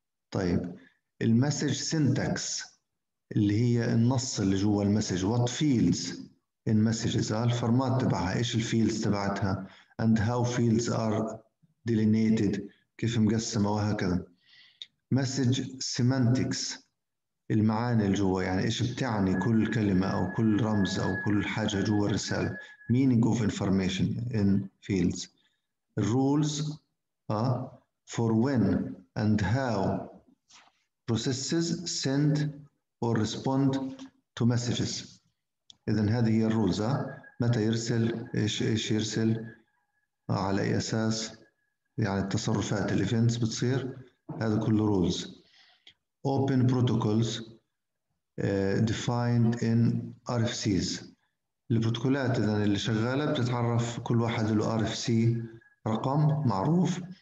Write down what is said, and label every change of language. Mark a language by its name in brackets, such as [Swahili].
[Arabic] طيب الـ Message Syntax اللي هي النص اللي جوا الـ Message، [English] What Fields in Messages، [Arabic] الفورمات تبعها، إيش الـ Fields تبعتها، [English] And How Fields Are Delineated، [Arabic] كيف مقسمة وهكذا. message semantics المعاني اللي جوا، يعني ايش بتعني كل كلمه او كل رمز او كل حاجه جوا الرساله، [English] meaning of information in fields. rules for when and how processes send or respond to messages. [Arabic] اذا هذه هي الرولز، متى يرسل، ايش يرسل، على اي اساس، يعني التصرفات الايفنتس بتصير، هذا كله rules. [English] open protocols defined in RFCs، [Arabic] البروتوكولات إذا اللي شغالة بتتعرف كل واحد له RFC رقم معروف.